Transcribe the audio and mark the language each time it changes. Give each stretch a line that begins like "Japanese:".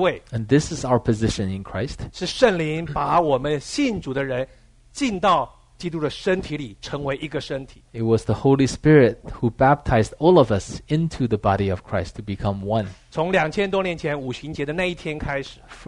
English: and this is our position in Christ.
Chinese: 是圣灵把我们信主的人进到基督的身体里成为一个身体。
English: It was the Holy Spirit who baptized all of us into the body of Christ to become one.
Chinese: 从2000多年前五旬节的那一天开始,